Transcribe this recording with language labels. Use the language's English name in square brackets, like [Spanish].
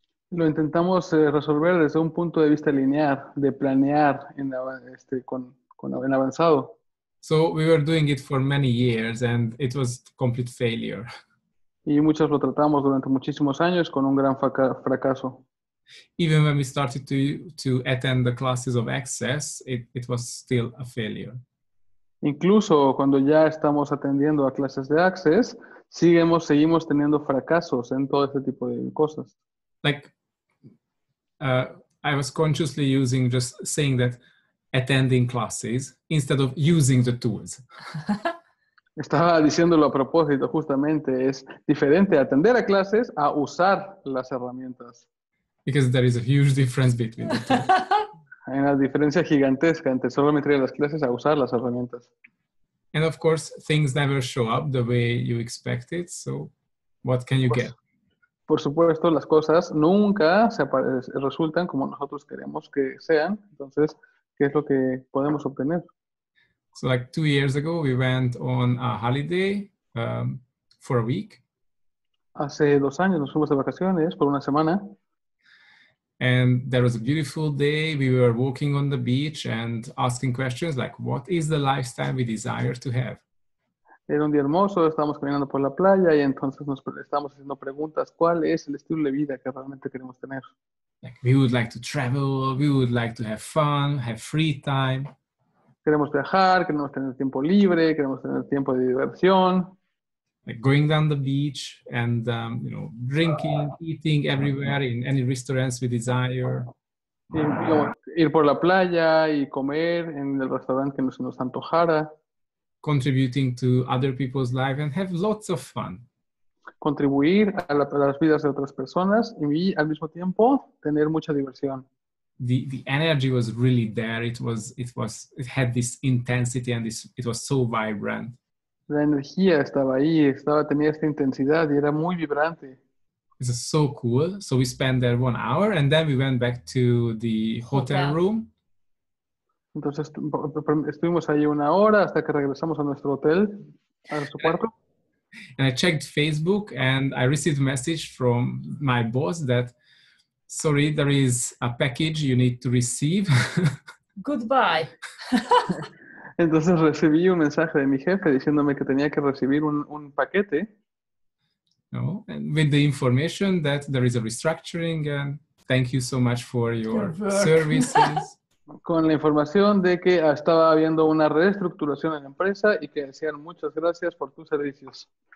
[Spanish] Lo intentamos resolver desde un punto de vista lineal, de planear en con avanzado. [English] So we were doing it for many years, and it was complete failure. [Spanish] Y muchos lo tratamos durante muchísimos años con un gran fracaso. [English] Even when we started to attend the classes of access, it was still a failure. [Spanish] Incluso cuando ya estamos atendiendo a clases de access, seguimos teniendo fracasos en todo este tipo de cosas. [English] Like, I was consciously using just saying that attending classes instead of using the tools. [Spanish] Estaba diciéndolo a propósito, justamente es diferente atender a clases a usar las herramientas. [English] Because there is a huge difference between the two. [Spanish] Hay una diferencia gigantesca entre solo meter las clases a usar las herramientas. [English] And of course, things never show up the way you expect it, so what can you get? [Spanish] Por supuesto, las cosas nunca resultan como nosotros queremos que sean, entonces, ¿qué es lo que podemos obtener? [English] So like 2 years ago, we went on a holiday for a week. [Spanish] Hace 2 años nos fuimos de vacaciones por una semana. [English] And there was a beautiful day. We were walking on the beach and asking questions like, what is the lifestyle we desire to have? [Spanish] Era un día hermoso. Estábamos caminando por la playa y entonces nos estábamos haciendo preguntas. ¿Cuál es el estilo de vida que realmente queremos tener? [English] Like, we would like to travel. We would like to have fun, have free time. [Spanish] Queremos viajar, queremos tener tiempo libre, queremos tener tiempo de diversión. [English] Like going down the beach and drinking, eating everywhere in any restaurants we desire. [Spanish] Ir por la playa y comer en el restaurante que nos antojara. [English] Contributing to other people's lives and have lots of fun. [Spanish] Contribuir a las vidas de otras personas y al mismo tiempo tener mucha diversión. [English] The energy was really there. It had this intensity and it was so vibrant. [Spanish] La energía estaba ahí, tenía esta intensidad y era muy vibrante. [English] It was so cool. So we spent there 1 hour and then we went back to the hotel room. [Spanish] Entonces estuvimos ahí 1 hora hasta que regresamos a nuestro hotel, a nuestro cuarto. [English] And I checked Facebook and I received a message from my boss that, sorry, there is a package you need to receive. Goodbye. [Spanish] Entonces recibí un mensaje de mi jefe diciéndome que tenía que recibir un paquete. [English] No, and with the information that there is a restructuring and thank you so much for your services. [Spanish] Con la información de que estaba habiendo una reestructuración en la empresa y que decían muchas gracias por tus servicios.